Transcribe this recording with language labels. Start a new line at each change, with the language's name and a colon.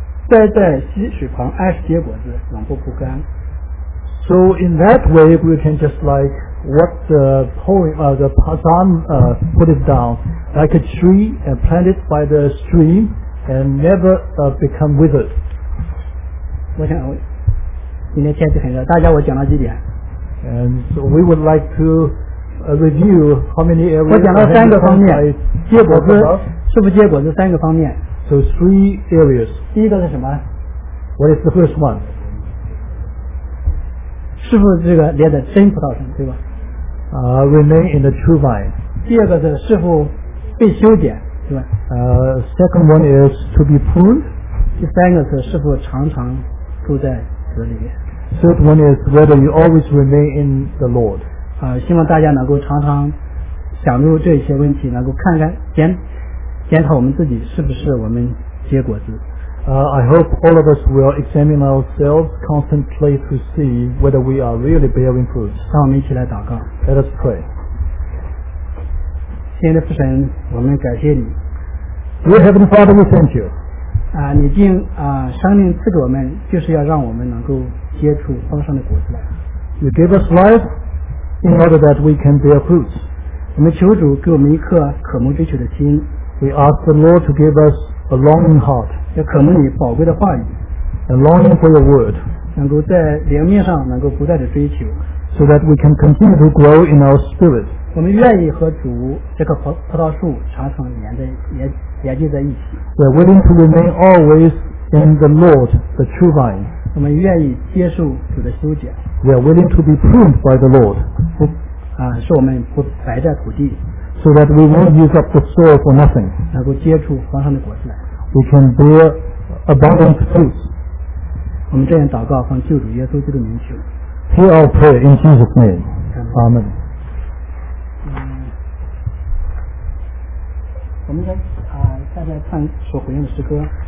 Chinese: 在溪水旁按时结果子，永不枯干。
English: So in that way, we can just like what the poem, the psalm, put it down, like a tree planted by the stream and never become withered.
Chinese: 我想今天天气很热，大家我讲了几点。
English: And so we would like to review how many areas.
Chinese: 我讲了三个方面，结果子是不结果子三个方面。
English: So three areas.
Chinese: 第一个是什么？
English: What is the first one?
Chinese: 是不是这个连在真葡萄上，对吧？
English: Remain in the true vine.
Chinese: 第二个是是否被修剪，对吧？
English: Second one is to be pruned.
Chinese: 第三个是是否常常住在主里面。
English: Third one is whether you always remain in the Lord.
Chinese: 希望大家能够常常想入这些问题，能够看看检讨我们自己是不是我们结果子。
English: I hope all of us will examine ourselves constantly to see whether we are really bearing fruit.
Chinese: 让我们一起来祷告。
English: Let us pray.
Chinese: 亲爱的父神，我们感谢你。
English: Dear Heavenly Father, we thank you.
Chinese: 啊，你竟啊生命赐给我们，就是要让我们能够结出丰盛的果子来。
English: You give us life in order that we can bear fruits.
Chinese: 我们求主给我们一颗渴慕追求的心。
English: We ask the Lord to give us a longing heart.
Chinese: 要渴慕你宝贵的话语。
English: A longing for your word.
Chinese: 能够在灵面上能够不断的追求。
English: So that we can continue to grow in our spirit.
Chinese: 我们愿意和主这棵葡萄树常常连接在一起。
English: We are willing to remain always in the Lord, the true vine.
Chinese: 我们愿意接受主的修剪。
English: We are willing to be pruned by the Lord.
Chinese: 使我们不白占土地。
English: So that we won't use up the soil for nothing.
Chinese: 能够结出丰盛的果子来。
English: We can bear abundant fruits.
Chinese: 我们这样祷告，奉救主耶稣基督的名求。
English: Hear our prayer in Jesus' name. Amen.
Chinese: 我们大家唱所回应的诗歌。